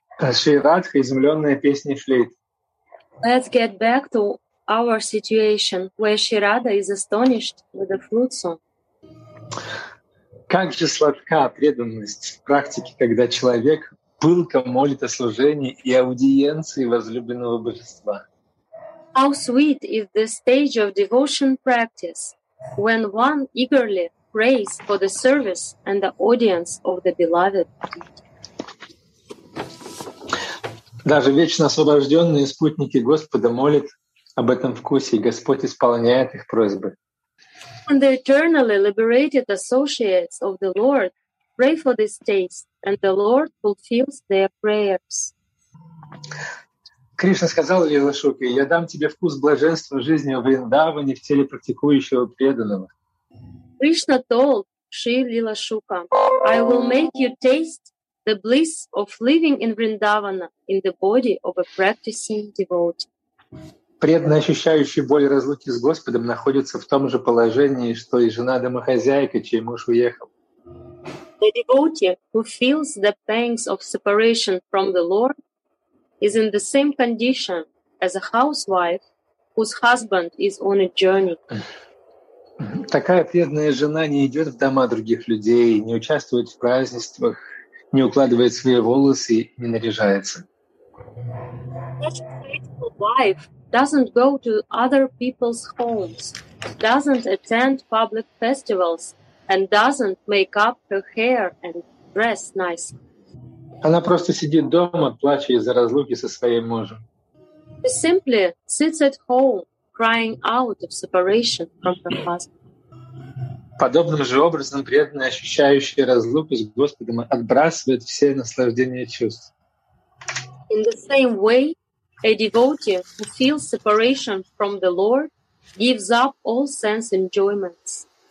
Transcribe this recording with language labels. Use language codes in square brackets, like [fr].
[ru] Шри Радха, изумленная песней флейт. [en] Let's get back to our situation where Shri Radha is astonished with the flute song. [ru] Как же сладка преданность в практике, когда человек пылко молит о служении и аудиенции возлюбленного божества. [en] How sweet is the stage of devotion practice when one eagerly prays for the service and the audience of the beloved. [ru] Даже вечно освобожденные спутники Господа молят об этом вкусе, и Господь исполняет их просьбы. [en] And the eternally liberated associates of the Lord pray for this taste, and the Lord fulfills their prayers. [ru] Кришна сказал Лила Шуке, я дам тебе вкус блаженства жизни в Вриндаване в теле практикующего преданного. [en] Krishna told Sri Lila Shuka, I will make you taste the bliss of living in Vrindavana in the body of a practicing devotee. [ru] Преданный, ощущающий боль разлуки с Господом, находится в том же положении, что и жена домохозяйка, чей муж уехал. [en] The devotee who feels the pangs of separation from the Lord is in the same condition as a housewife whose husband is on a journey. [ru] Такая преданная жена не идет в дома других людей, не участвует в празднествах, не укладывает свои волосы и не наряжается. [en] Such a faithful wife doesn't go to other people's homes, doesn't attend public festivals, and doesn't make up her hair and dress nicely. [ru] Она просто сидит дома, плача из-за разлуки со своим мужем. [en] She simply sits at home, crying out of separation from her husband. [ru] Подобным же образом преданный, ощущающий разлуку с Господом, отбрасывает все наслаждения чувств. [en] In the same way, a devotee who feels separation from the Lord gives up all sense enjoyments.